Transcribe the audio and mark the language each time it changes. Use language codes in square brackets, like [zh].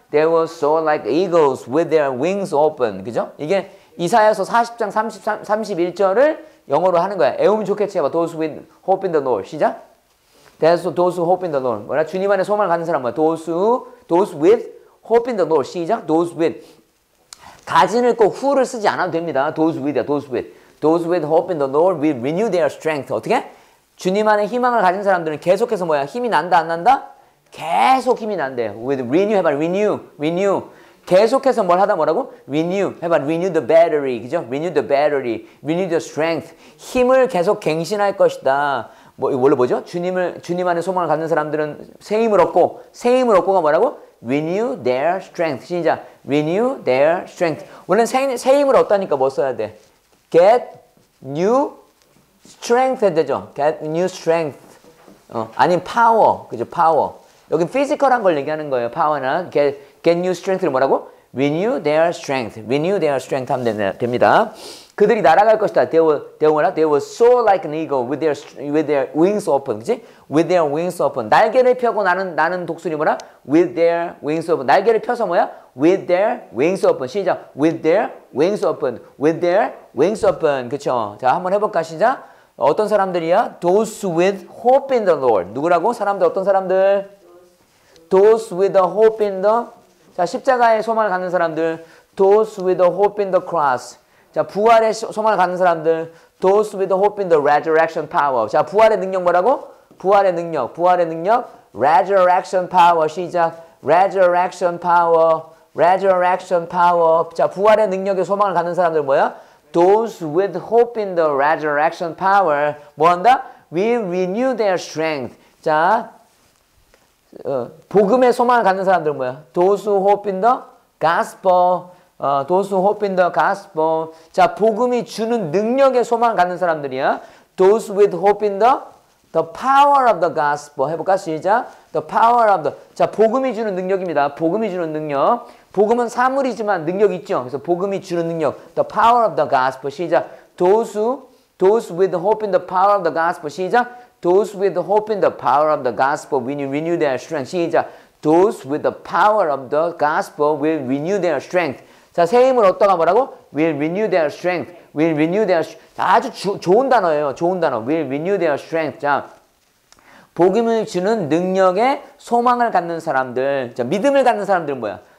[en] They will soar like eagles with their wings open. [ko] 그죠? 이게 이사야서 40장 31절을 영어로 하는 거야. 애움 좋게 치해봐. [en] Those with hope in the Lord. [ko] 시작. [en] That's those who hope in the Lord. [ko] 뭐라? 주님 안에 소망을 가진 사람 뭐야? [en] Those with hope in the Lord. [ko] 시작. [en] Those with. [ko] 가진을 꼭 who를 쓰지 않아도 됩니다. [en] Those with야. Those with. Those with hope in the Lord will renew their strength. [ko] 어떻게? 주님 안에 희망을 가진 사람들은 계속해서 뭐야? 힘이 난다 안 난다? 계속 힘이 난대요. [en] With renew [ko] 해봐. [en] Renew. Renew. [ko] 계속해서 뭘 하다 뭐라고? [en] Renew [ko] 해봐. [en] Renew the battery. [ko] 그죠? [en] Renew the battery. Renew the strength. [ko] 힘을 계속 갱신할 것이다. 뭐 이거 원래 뭐죠? 주님 안에 소망을 갖는 사람들은 새 힘을 얻고 새 힘을 얻고가 뭐라고? [en] Renew their strength. [ko] 시작. [en] Renew their strength. [ko] 원래 새 힘을 얻다니까 뭐 써야 돼? [en] Get new strength [ko] 해야 되죠. [en] Get new strength. [ko] 아니면 [en] power. [ko] 그죠? [en] Power. [ko] 여기 피지컬한 걸 얘기하는 거예요. [en] Power나 get new strength를 [ko] 뭐라고? [en] Renew their strength. Renew their strength [ko] 하면 됩니다. 그들이 날아갈 것이다. [en] They will soar like an eagle with their wings open. [ko] 그치? [en] With their wings open. [ko] 날개를 펴고 나는 독수리 뭐라? [en] With their wings open. [ko] 날개를 펴서 뭐야? [en] With their wings open. [ko] 시작. [en] With their wings open. With their wings open. [ko] 그쵸? 자, 한번 해볼까? 시작. 어떤 사람들이야? [en] Those with hope in the Lord. [ko] 누구라고? 사람들, 어떤 사람들? [en] Those with a hope in the... [ko] 자, 십자가의 소망을 갖는 사람들. [en] Those with a hope in the cross. [ko] 자, 부활의 소망을 갖는 사람들. [en] Those with the hope in the resurrection power. [ko] 자, 부활의 능력 뭐라고? 부활의 능력. 부활의 능력. [en] Resurrection power. [ko] 시작. [en] Resurrection power. Resurrection power. [ko] 자, 부활의 능력의 소망을 갖는 사람들 뭐야? [en] Those with hope in the resurrection power. [ko] 뭐 한다? [en] Will renew their strength. [ko] 자, 복음의 소망을 갖는 사람들 뭐야? [en] Those who hope in the gospel. Those who hope in the gospel. [ko] 자, 복음이 주는 능력에 소망을 갖는 사람들이야. [en] Those with hope in the power of the gospel. [ko] 해볼까? 시작. [en] The power of the. [ko] 자, 복음이 주는 능력입니다. 복음이 주는 능력. 복음은 사물이지만 능력 있죠. 그래서 복음이 주는 능력. [en] The power of the gospel. [ko] 시작. [en] Those with hope in the power of the gospel. [ko] 시작. [en] Those with hope in the power of the gospel will renew their strength. [ko] 시작. [en] Those with the power of the gospel will renew their strength. [ko] 자, 새 힘을 얻다가 뭐라고? [en] Will renew their strength. Will renew their strength. [ko] 아주 좋은 단어예요. 좋은 단어. [en] Will renew their strength. [ko] 자, 복음을 주는 능력에 소망을 갖는 사람들. 자, 믿음을 갖는 사람들은 뭐야?